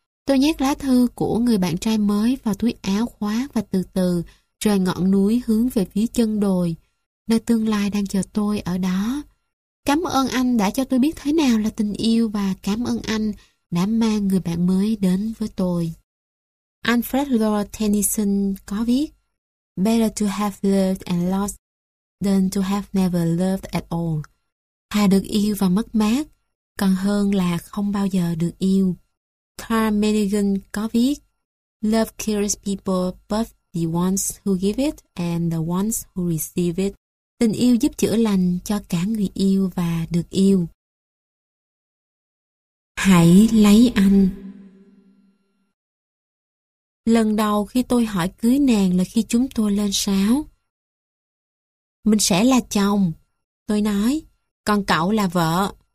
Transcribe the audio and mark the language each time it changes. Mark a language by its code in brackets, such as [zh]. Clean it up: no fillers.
[vi] Tôi nhét lá thư của người bạn trai mới vào túi áo khoác và từ từ rời ngọn núi hướng về phía chân đồi, nơi tương lai đang chờ tôi ở đó. Cảm ơn anh đã cho tôi biết thế nào là tình yêu, và cảm ơn anh đã mang người bạn mới đến với tôi. [en] Alfred Lord Tennyson [vi] có viết: [en] better to have loved and lost than to have never loved at all. [vi] Thà được yêu và mất mát còn hơn là không bao giờ được yêu. [en] Carl Menigan [vi] có viết: [en] love kills people, both the ones who give it and the ones who receive it. [vi] Tình yêu giúp chữa lành cho cả người yêu và được yêu. Hãy lấy anh. Lần đầu khi tôi hỏi cưới nàng là khi chúng tôi lên 6. Mình sẽ là chồng, tôi nói, còn cậu là vợ.